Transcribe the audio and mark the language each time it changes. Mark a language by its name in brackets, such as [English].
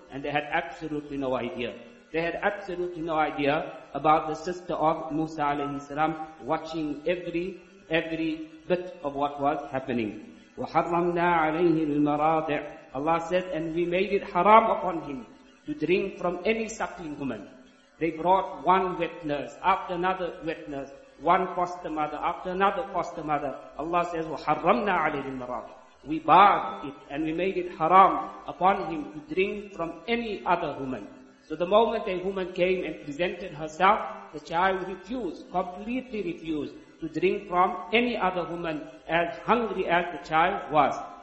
[English] And they had absolutely no idea. They had absolutely no idea about the sister of Musa alayhi salam watching every bit of what was happening. [Arabic] وَحَرَّمْنَا عَلَيْهِ الْمَرَاضِعِ. [English] Allah said, and we made it haram upon him to drink from any suckling woman. They brought one wet nurse after another wet nurse, one foster mother after another foster mother. Allah says, [Arabic] وَحَرَّمْنَا عَلَيْهِ الْمَرَاضِعِ. [English] We barred it and we made it haram upon him to drink from any other woman. So the moment a woman came and presented herself, the child refused, completely refused to drink from any other woman, as hungry as the child was.